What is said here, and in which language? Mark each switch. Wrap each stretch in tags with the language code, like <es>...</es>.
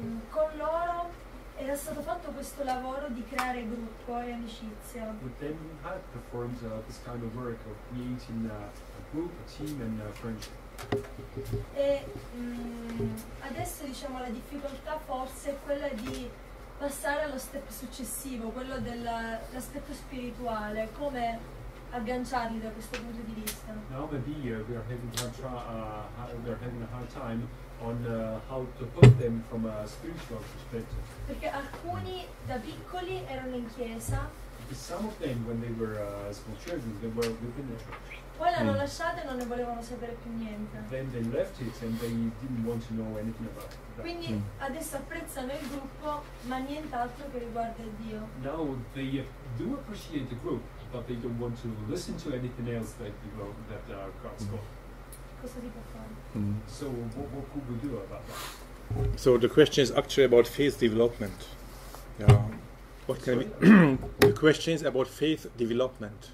<it>Con loro era stato fatto questo lavoro di creare gruppo e amicizia.</it> <en>With them, we had performed this kind of work of creating a group, a team, and a friendship.</en> <it>E adesso diciamo la difficoltà forse è quella di passare allo step successivo, quello dell'aspetto spirituale, come agganciarli da questo punto di vista.</it> <en>Now maybe we are having a hard time on how to put them from a spiritual perspective.</en> <it>Perché alcuni da piccoli erano in chiesa.</it> <en>Because some of them when they were small children they were within the church.</en> <it>Poi l'hanno lasciato e non ne volevano sapere più niente.</it> <en>Then they left it and they didn't want to know anything about that.</en> <it>Quindi adesso apprezzano il gruppo, ma nient'altro che riguarda Dio.</it> <en>Now they do appreciate the group, but they don't want to listen to anything else that God's called.</en> <it>Cosa si può fare?</it> <en>So what could we do about that? So the question is actually about faith development. What can we? The question is about faith development.</en>